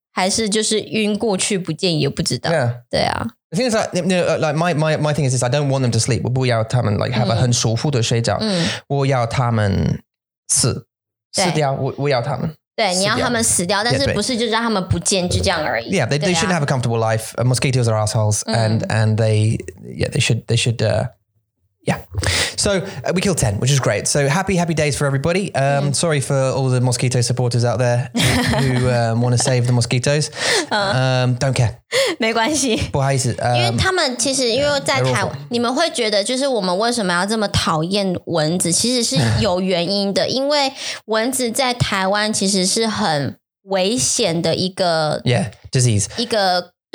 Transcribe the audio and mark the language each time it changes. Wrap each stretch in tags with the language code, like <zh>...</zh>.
<zh>他们就只是不见，但是他们不见是死掉不见，还是就是晕过去不见也不知道。</zh> <en>Yeah.</en> <zh>对啊。</zh> <en>I think it's like, you know, like my thing is this. I don't want them to sleep.</en> <zh>我不要他们</zh> <en>like have a</en> <zh>很舒服的睡觉。我要他们死掉。我要他们。对，你要他们死掉，但是不是就让他们不见，就这样而已。</zh> <en>Yeah, they shouldn't have a comfortable life. Mosquitoes are assholes, and they should. So we killed 10, which is great. So happy days for everybody. Sorry for all the mosquito supporters out there who want to save the mosquitoes. Don't care.</en> <zh>没关系，不好意思，因为他们其实因为在台湾，你们会觉得就是我们为什么要这么讨厌蚊子，其实是有原因的，因为蚊子在台湾其实是很危险的一个disease，一个。</zh>